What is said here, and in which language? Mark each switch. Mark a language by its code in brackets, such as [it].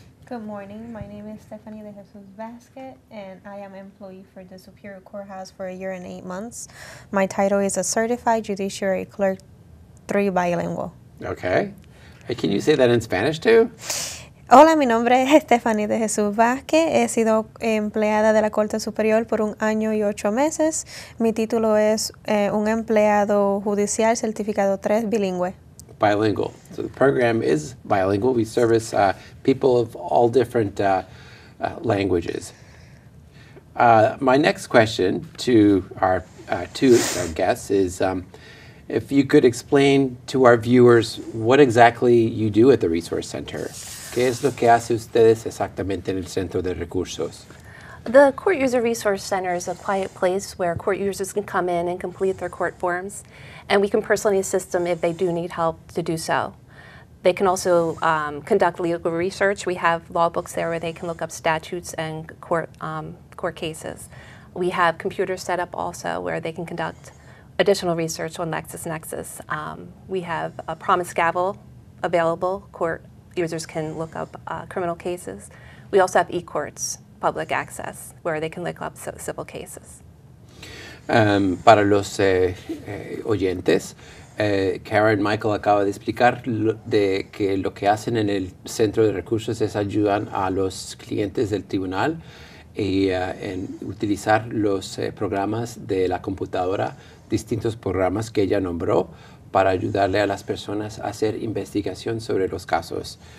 [en] Good morning. My name is Stephanie De Jesus Vasquez, and I am employee for the Superior Courthouse for 1 year and 8 months. My title is a certified judiciary clerk, 3 bilingual. Okay. Hey, can you say that in Spanish too? [es] Hola, mi nombre es Stephanie De Jesus Vasquez. He sido empleada de la Corte Superior por 1 año y 8 meses. Mi título es un empleado judicial certificado 3 bilingüe. [en] Bilingual. So the program is bilingual. We service people of all different languages. My next question to our two guests is if you could explain to our viewers what exactly you do at the Resource Center. [es] ¿Qué es lo que hace ustedes exactamente en el Centro de Recursos? [en] The Court User Resource Center is a quiet place where court users can come in and complete their court forms, and we can personally assist them if they do need help to do so. They can also conduct legal research. We have law books there where they can look up statutes and court cases. We have computers set up also where they can conduct additional research on LexisNexis. We have a promise gavel available, court users can look up criminal cases. We also have e-courts, public access, where they can look up civil cases. [es] Para los oyentes, Karen Michael acaba de explicar de que lo que hacen en el Centro de Recursos es ayudan a los clientes del tribunal y, en utilizar los programas de la computadora, distintos programas que ella nombró, para ayudarle a las personas a hacer investigación sobre los casos.